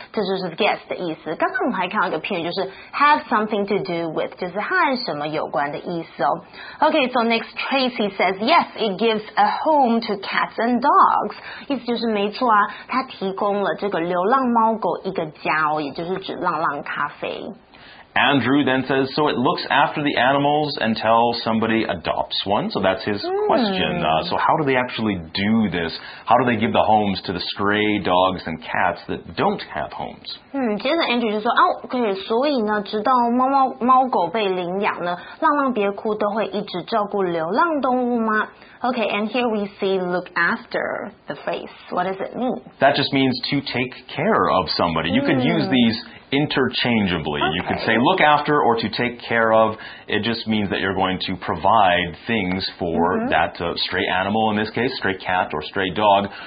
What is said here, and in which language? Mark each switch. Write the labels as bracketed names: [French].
[Chinese] 这就是 guess 的意思。刚刚我们还看到一个片语，就是 [English] have something to do with， [Chinese] 就是和什么有关的意思哦。 [English] Okay, so next Tracy says, yes, it gives a home to cats and dogs. [Chinese] 意思就是没错啊，它提供了这个流浪猫狗一个家哦，也就是指浪浪咖啡。 [English] Andrew then says, so it looks after the animals until somebody adopts one. So that's his question. So how do they actually do this? How do they give the homes to the stray dogs and cats that don't have homes? [Chinese] 接着 Andrew 就说、所以呢直到猫狗被领养呢浪浪别哭都会一直照顾流浪动物吗？ [English] Okay, and here we see look after the phrase. What does it mean? That just means to take care of somebody. You could use these interchangeably. Okay. You could say look after or to take care of. It just means that you're going to provide things for that stray animal, in this case, stray cat or stray dog.